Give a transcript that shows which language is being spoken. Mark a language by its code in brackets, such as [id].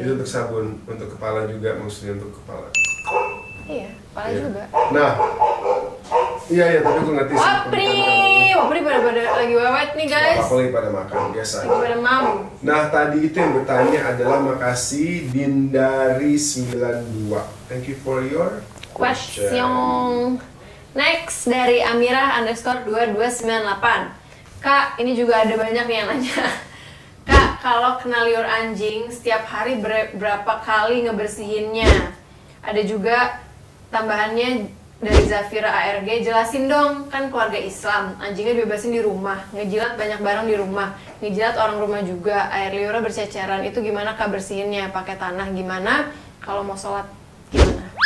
[id] Itu untuk sabun, untuk kepala juga, maksudnya untuk kepala. Iya, kepala juga. Nah, iya tapi aku ngerti sih. Wapri pada lagi wewet nih guys. Wapri lagi pada makan, biasa. Lagi pada mam. Nah tadi itu yang bertanya adalah, makasih Dindari 92. [en] Thank you for your question. [id] Next dari Amira underscore 2298. Kak, ini juga ada banyak yang nanya. Kak, kalau kena liur anjing, setiap hari berapa kali ngebersihinnya? Ada juga tambahannya dari Zafira ARG, jelasin dong, kan keluarga Islam, anjingnya bebasin di rumah, ngejilat banyak barang di rumah, ngejilat orang rumah juga, air liurnya berceceran, itu gimana kak bersihinnya, pakai tanah gimana, kalau mau sholat gimana?